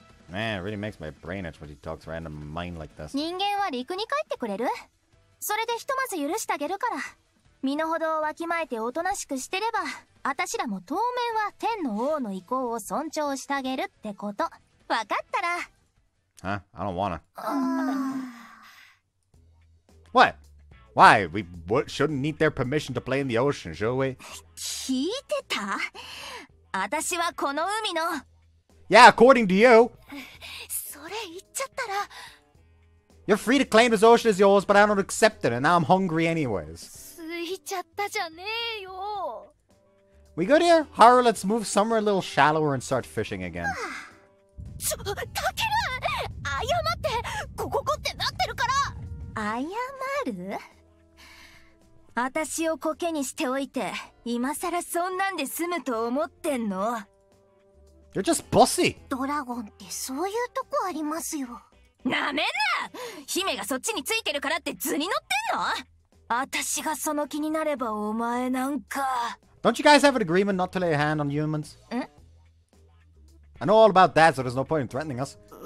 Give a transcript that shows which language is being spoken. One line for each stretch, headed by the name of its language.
English: Man, it really makes my brain itch when she talks random mind like this.
Japanese: 人間は陸に帰ってくれる？それでひとまず許してあげるから。身の程をわきまえておとなしくしてれば、あたしらも当面は天の王の意向を尊重してあげるってこと。わかったら。
English: Huh? I don't wanna. What? Why? We shouldn't need their permission to play in the ocean, should we?
Japanese: 聞いてた?私はこの海の。
English: Yeah, according to you.
Japanese: それ言っちゃったら。
English: You're free to claim this ocean as yours, but I don't accept it, and now I'm hungry anyways.
Japanese: ついちゃったじゃねえよ。
English: We good here? Haru, let's move somewhere a little shallower and start fishing again.
Japanese: ちょ、タケル!謝って! ここってなってるから! 謝る? 私をコケにしておいて、今さらそんなんで済むと思ってんの?
English: You're just bossy!
Japanese: ドラゴンってそういうとこありますよ。なめんな! 姫がそっちについてるからって図に乗ってんの? 私がその気になればお前なんか。
English: Don't you guys have an agreement not to lay a hand on humans? Mm? I know all about that, so there's no point in threatening us.